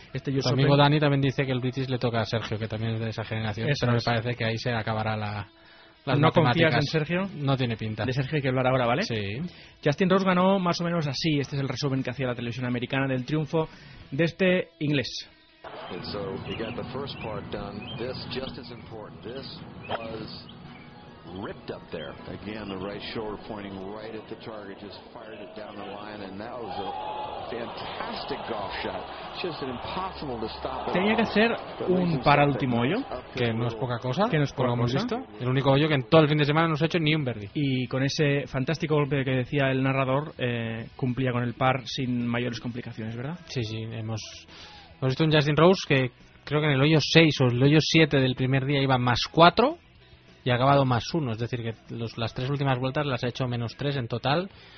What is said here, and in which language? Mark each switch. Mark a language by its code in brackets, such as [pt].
[es] Este US Open. Mi amigo Dani también dice que el British le toca a Sergio, que también es de esa generación, eso pero es. Me parece que ahí se acabará la... ¿No confías en Sergio? No tiene pinta. De Sergio hay que hablar ahora, ¿vale? Sí. Justin Rose ganó más o menos así, este es el resumen que hacía la televisión americana del triunfo de este inglés. [en] And so he got the first part done. This just as important. This was ripped up there. Again, the right shoulder pointing right at the target, just fired it down the line, and that was a fantastic golf shot. Just an impossible to stop. [es] Tenía que hacer un par al último hoyo, que no es poca cosa. Que no es poca cosa. Hemos visto el único hoyo que en todo el fin de semana no se ha hecho ni un birdie. Y con ese fantástico golpe que decía el narrador, cumplía con el par sin mayores complicaciones, ¿verdad? Sí, sí, hemos. Hemos visto un Justin Rose que creo que en el hoyo 6 o el hoyo 7 del primer día iba más 4 y ha acabado más 1. Es decir, que las tres últimas vueltas las ha hecho menos 3 en total.